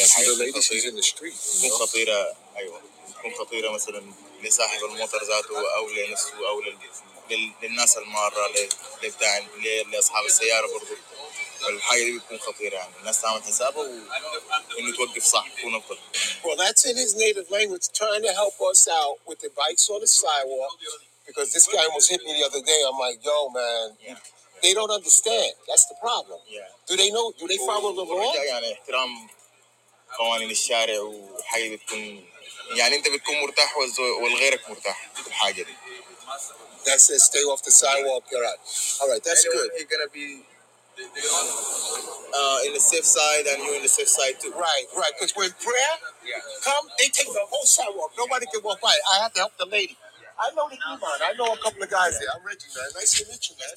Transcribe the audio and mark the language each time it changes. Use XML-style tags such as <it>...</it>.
<ar>حاجة خطيرة.</ar> <en>In the street.</en> <ar>ممكن خطيرة. أيوة. ممكن خطيرة مثلا لصاحب الموتور ذاته أو لنفسه أو للناس المارة لأصحاب السيارة برضو. الحاجة دي بتكون خطيرة يعني الناس تعمل حسابها وإنه توقف صح تكون أفضل.</ar> <en>Well, that's in his native language, trying to help us out with the bikes on the sidewalk, because this guy almost hit me the other day. I'm like, yo, man, they don't understand. That's the problem. Yeah. Do they know? Do they follow the law?</en> <ar>يعني احترام قوانين الشارع وحاجة بتكون يعني أنت بتكون مرتاح والغيرك مرتاح الحاجة دي.</ar> <en>That's it. Stay off the sidewalk. You're right. All right. That's good. You're gonna be. In the safe side, and you in the safe side too. Right. Because when prayer come, they take the whole sidewalk. Nobody can walk by. I have to help the lady. I know the Iman. I know a couple of guys there. I'm Reggie, man. Nice to meet you, man.</en>